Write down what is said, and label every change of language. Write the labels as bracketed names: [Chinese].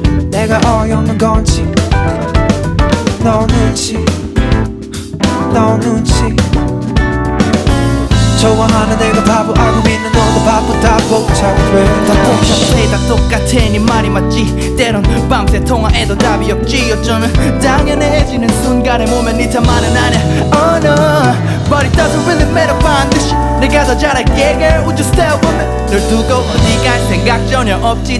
[Korean] 내가 어이없는 건지. 너 눈치, 너 눈치. 좋아하는 내가 바보 알고 있는 너도 바보 다 복잡해. 다 복잡해. 다 똑같아. 네 말이 맞지. 때론 밤새 통화해도 답이 없지. 어쩌면 당연해지는 순간에 몸에 니 탓만은 아냐. [English] Oh no. But it doesn't really matter. [Korean] 반드시 내가 더 잘할게. [English] Girl, would you stay with me? [Korean] 널 두고 어디 갈 생각 전혀 없지.